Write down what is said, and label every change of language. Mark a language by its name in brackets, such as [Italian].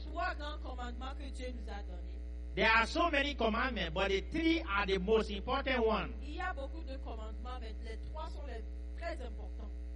[French] Trois grands commandements que Dieu nous a donné. [English] There are so many commandments, but the three are the most important ones. [French] Il y a beaucoup de commandements, mais les trois sont les très importants.